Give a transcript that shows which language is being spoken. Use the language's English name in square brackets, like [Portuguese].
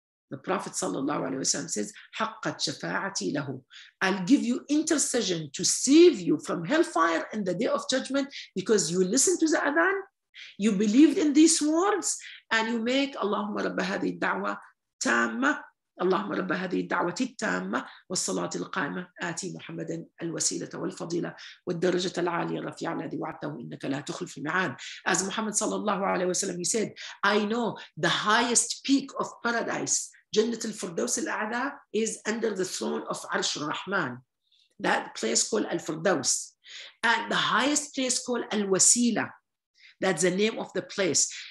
[English] The Prophet sallallahu alaihi wasallam says [Arabic] حقت شفاعتي له. [English] I'll give you intercession to save you from hellfire in the day of judgment because you listened to the Adhan, you believed in these words, and you make [Arabic] اللهم رب هذه الدعوة تامة. اللهم رب هذه الدعوة التامة والصلاة القائمة آتي محمدا الوسيلة والفضيلة والدرجة العالية الرفيعة الذي وعدته إنك لا تخلف الميعاد. [English] As Muhammad sallallahu alayhi wa sallam, he said, I know the highest peak of paradise, Jannat al-Firdaws al-A'la, is under the throne of Arsh al-Rahman, that place called al-Firdaws. And the highest place called al-Wasila, that's the name of the place.